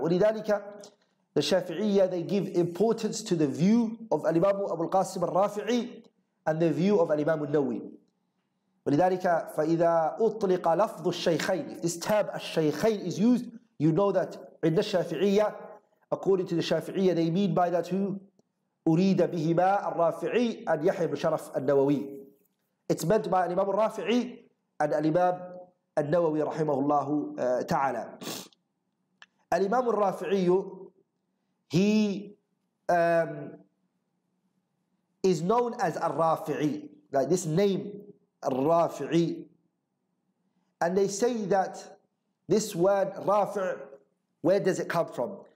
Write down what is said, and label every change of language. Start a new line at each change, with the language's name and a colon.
English: Walidhalika, the Shafi'iyya, they give importance to the view of Al-Imam Abu al-Qasim Al-Rafi'i and the view of Al-Imam Al-Nawwi.
Arabic: Walidhalika, fa'idha utliqa lafdhu al-shaykhayn.
English: If this term al-shaykhayn is used, you know that in the Shafi'iyya, according to the Shafi'iyya, they mean by that who?
Arabic: أريد بهما الرافعي أن يحيى بن شرف النووي.
English: It's meant by الإمام الرافعي and الإمام النووي رحمه الله تعالى. الإمام الرافعي he is known as الرافعي. Like this name الرافعي. And they say that this word رافع, where does it come from?